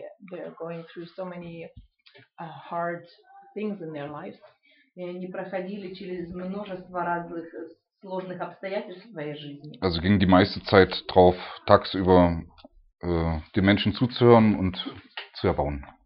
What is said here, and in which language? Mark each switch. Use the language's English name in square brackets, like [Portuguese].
[English] They are going through so many hard things in their lives. [Russian] И они проходили через множество разных сложных обстоятельств в своей жизни. [German] Also ging die meiste Zeit drauf, tagsüber den Menschen zuzuhören und zu erbauen.